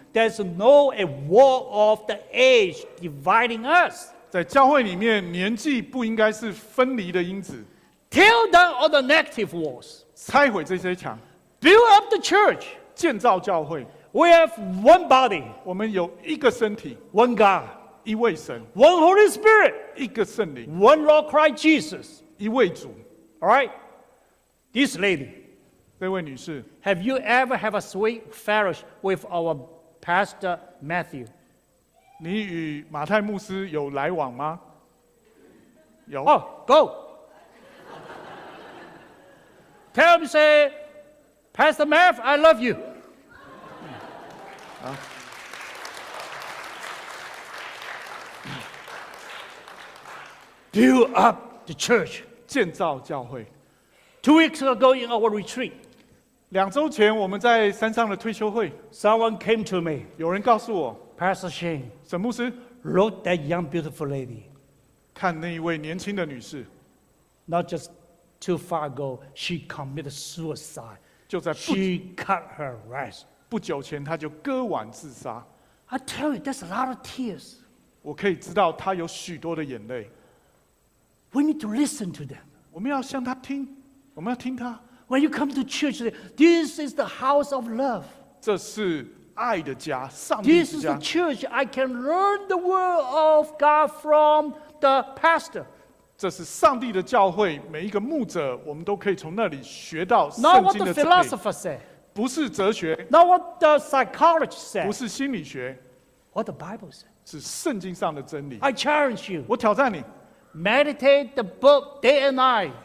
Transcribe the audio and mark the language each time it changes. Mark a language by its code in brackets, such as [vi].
[en] There's no a wall of the age dividing us. [zh] 在教会里面，年纪不应该是分离的因子。 [en] Tear down all the negative walls. [zh] 拆毁这些墙。 [en] Build up the church. [zh] 建造教会。 [en] We have one body. [zh] 我们有一个身体。 [en] One God. [zh] 一位神。 [en] One Holy Spirit. [zh] 一个圣灵。 [en] One Lord Christ Jesus. [zh] 一位主。 [en] All right. This lady. [zh] 这位女士。 [en] Have you ever have a sweet fellowship with our pastor Matthew? [zh] 你与马太牧师有来往吗？有。 [en] Oh, go. Tell him, say, Pastor Matt, I love you. 啊。 Build up the church. [zh] 建造教会。 [en] 2 weeks ago in our retreat. [zh] 两周前我们在山上的退休会。 [en] Someone came to me. [zh] 有人告诉我。 [en] Pastor Shane, [zh] 沈牧师 [en] look that young beautiful lady. [zh] 看那一位年轻的女士 [en] Not just too far ago, she committed suicide. [zh] 就在 [en] She cut her wrist. [zh] 不久前她就割腕自杀 [en] I tell you, that's a lot of tears. [zh] 我可以知道她有许多的眼泪 [en] We need to listen to them. [zh] 我们要向她听，我们要听她 [en] When you come to church, this is the house of love. [zh] 这是爱的家，上帝的家。 [en] This is the church I can learn the word of God from the pastor. [zh] 这是上帝的教会，每一个牧者，我们都可以从那里学到圣经的真理。 [en] Not what the philosopher said. [zh] 不是哲学。 [en] Not what the psychologist said. [zh] 不是心理学。 [en] What the Bible said. [zh] 是圣经上的真理。 [en] I challenge you. [zh] 我挑战你。 [en] Meditate the book day and night.